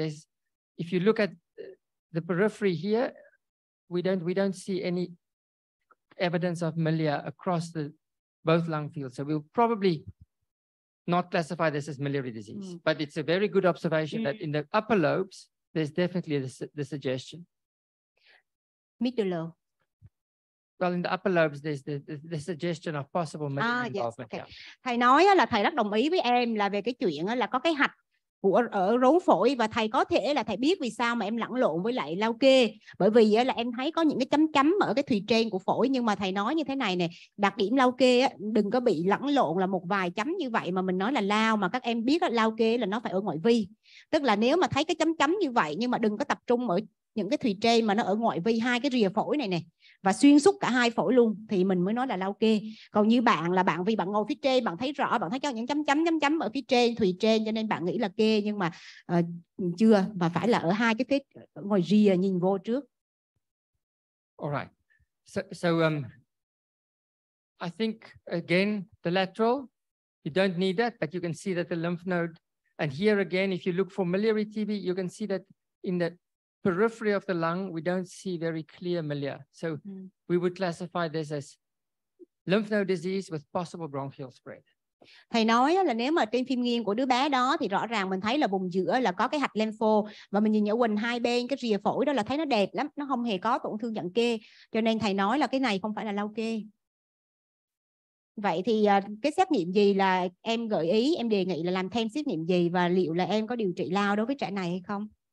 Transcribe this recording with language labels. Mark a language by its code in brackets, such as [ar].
[en] There's, if you look at the periphery here, we don't see any evidence of milia across the both lung fields. So we'll probably not classify this as miliary disease, but it's a very good observation that in the upper lobes, there's definitely the suggestion. Middle lobe. Well, in the upper lobes, there's the suggestion of possible milia involvement. Yes, okay. [vi] Thầy nói là thầy rất đồng ý với em là về cái chuyện là có cái hạch của ở rốn phổi và thầy có thể là thầy biết vì sao mà em lẫn lộn với lại lao kê. Bởi vì là em thấy có những cái chấm chấm ở cái thùy trên của phổi, nhưng mà thầy nói như thế này nè, đặc điểm lao kê á, đừng có bị lẫn lộn là một vài chấm như vậy mà mình nói là lao, mà các em biết là lao kê là nó phải ở ngoại vi. Tức là nếu mà thấy cái chấm chấm như vậy nhưng mà đừng có tập trung ở những cái thùy trên mà nó ở ngoại vi hai cái rìa phổi này nè, và xuyên suốt cả hai phổi luôn, thì mình mới nói là lao kê. Còn như bạn là bạn vì bạn ngồi phía trên, bạn thấy rõ, bạn thấy cho những chấm chấm ở phía trên, thùy trên, cho nên bạn nghĩ là kê, nhưng mà chưa, mà phải là ở hai cái phía ngoài rìa nhìn vô trước. [en] All right. So, I think, again, the lateral, you don't need that, but you can see that the lymph node, and here again, if you look for miliary TB, you can see that in the periphery of the lung, we don't see very clear milia. So we would classify this as lymph node disease with possible bronchial spread. [vi] Thầy nói là nếu mà trên phim nghiêng của đứa bé đó thì rõ ràng mình thấy là vùng giữa là có cái hạch lympho, và mình nhìn ở quỳnh hai bên cái rìa phổi đó là thấy nó đẹp lắm, nó không hề có tổn thương dạng kê. Cho nên thầy nói là cái này không phải là lao kê. Vậy thì cái xét nghiệm gì là em gợi ý, em đề nghị là làm thêm xét nghiệm gì, và liệu là em có điều trị lao đối với trẻ này hay không?